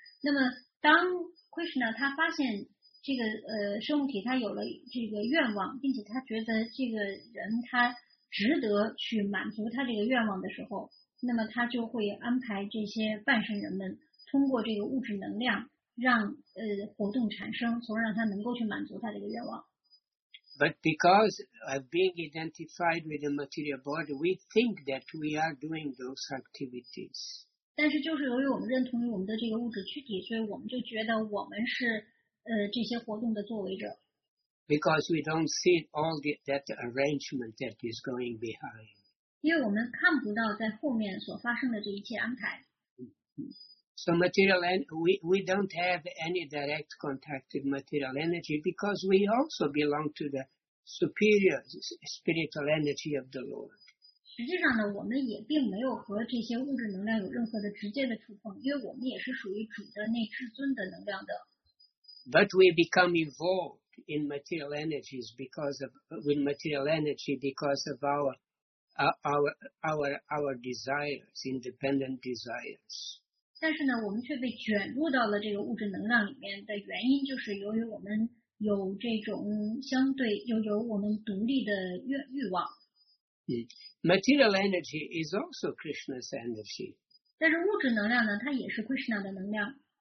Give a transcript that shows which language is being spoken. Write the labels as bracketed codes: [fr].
[zh] 那么当 Krishna 他发现这个生物体他有了这个愿望，并且他觉得这个人他值得去满足他这个愿望的时候，那么他就会安排这些半神人们通过这个物质能量让活动产生，从而让他能够去满足他这个愿望。 [en] But because of being identified with the material body, we think that we are doing those activities. [zh] 但是就是由于我们认同于我们的这个物质躯体，所以我们就觉得我们是这些活动的作为者。 [en] Because we don't see all that arrangement that is going behind. [zh] 因为我们看不到在后面所发生的这一切安排。 [en] So material, we don't have any direct contact with material energy because we also belong to the superior spiritual energy of the Lord. [zh] 实际上呢，我们也并没有和这些物质能量有任何的直接的触碰，因为我们也是属于主的那至尊的能量的。 [en] But we become involved in material energies because of with material energy because of our desires, independent desires. [zh] 但是呢，我们却被卷入到了这个物质能量里面的原因，就是由于我们有这种相对，有我们独立的欲望。 [en] Material energy is also Krishna's energy. [zh] 但是物质能量呢，它也是 Krishna 的能量。